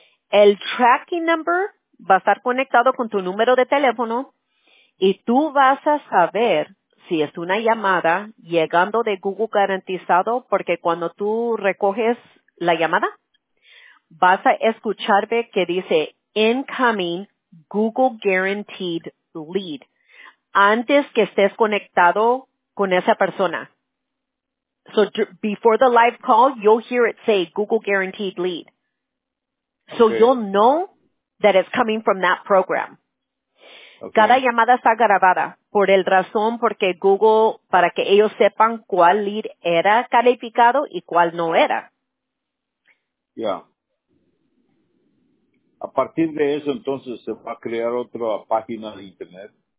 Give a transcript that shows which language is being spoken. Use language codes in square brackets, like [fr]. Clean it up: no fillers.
[es] El tracking number va a estar conectado con tu número de teléfono y tú vas a saber si es una llamada llegando de Google garantizado, porque cuando tú recoges la llamada, vas a escuchar que dice [en] incoming Google guaranteed lead [es] antes que estés conectado con esa persona. [en] So before the live call, you'll hear it say Google guaranteed lead. So okay. you'll know that it's coming from that program. Okay. [es] Cada llamada está grabada por el razón porque Google, para que ellos sepan cuál lead era calificado y cuál no era. Ya. Yeah. A partir de eso, entonces, ¿se va a crear otra página de internet?